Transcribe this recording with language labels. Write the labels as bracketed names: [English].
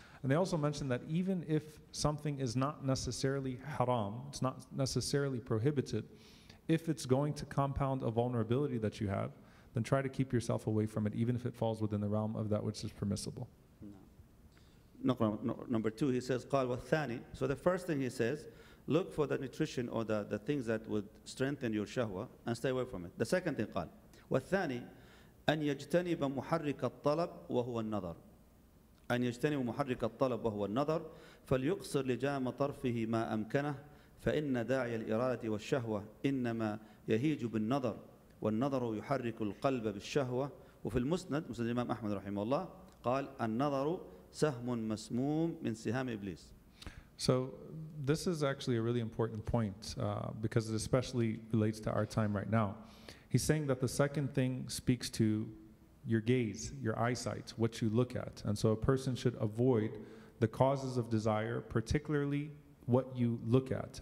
[English] And they also mention that even if something is not necessarily haram, it's not necessarily prohibited, if it's going to compound a vulnerability that you have, then try to keep yourself away from it, even if it falls within the realm of that which is permissible. Number two, he says, [Arabic] قال والثاني. [English] So the first thing he says, look for the nutrition or the things that would strengthen your shahwa and stay away from it. The second thing, [Arabic] قال والثاني أن يجتنب محرك الطلب وهو النظر. أن يجتنب محرك الطلب وهو النظر فليقصر لجام طرفه ما أمكنه فإن داعي الإرادة والشهوة إنما يهيج بالنظر والنظر يحرك القلب بالشهوة. وفي المسند مسند الإمام أحمد رحمه الله قال النظر سهم مسموم من سهام إبليس. [English] So this is actually a really important point because it especially relates to our time right now. He's saying that the second thing speaks to your gaze, your eyesight, what you look at. And so a person should avoid the causes of desire, particularly what you look at.